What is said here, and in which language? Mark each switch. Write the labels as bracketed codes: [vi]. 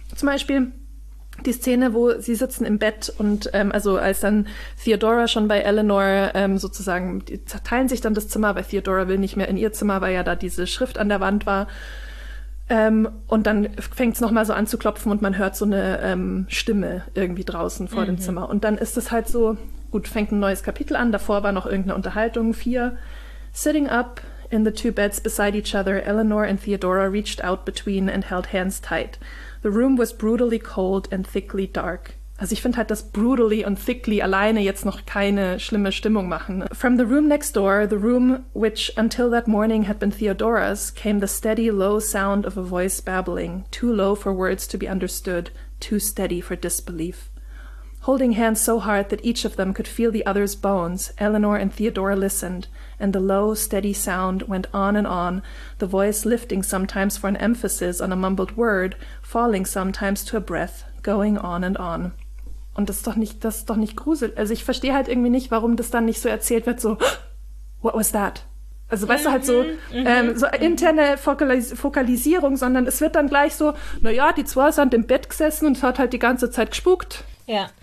[de] Zum Beispiel die Szene, wo sie sitzen im Bett und also als dann Theodora schon bei Eleanor sozusagen, die zerteilen sich dann das Zimmer, weil Theodora will nicht mehr in ihr Zimmer, weil ja da diese Schrift an der Wand war. Und dann fängt es nochmal so an zu klopfen und man hört so eine Stimme irgendwie draußen vor dem Zimmer. Und dann ist es halt so... Gut, fängt ein neues Kapitel an. Davor war noch irgendeine Unterhaltung. 4. [en] Sitting up in the two beds beside each other, Eleanor and Theodora reached out between and held hands tight. The room was brutally cold and thickly dark. [de] Also ich finde halt, dass brutally und thickly alleine jetzt noch keine schlimme Stimmung machen. [en] From the room next door, the room which until that morning had been Theodora's, came the steady low sound of a voice babbling, too low for words to be understood, too steady for disbelief. Holding hands so hard that each of them could feel the other's bones, Eleanor and Theodora listened, and the low, steady sound went on and on, the voice lifting sometimes for an emphasis on a mumbled word, falling sometimes to a breath, going on and on. [de] Und das ist doch nicht gruselig. Also ich verstehe halt irgendwie nicht, warum das dann nicht so erzählt wird, so, [en] what was that? [de] Also weißt du, halt so, so interne Fokalisierung, sondern es wird dann gleich so, naja, die zwei sind im Bett gesessen und es hat halt die ganze Zeit gespukt. Ja.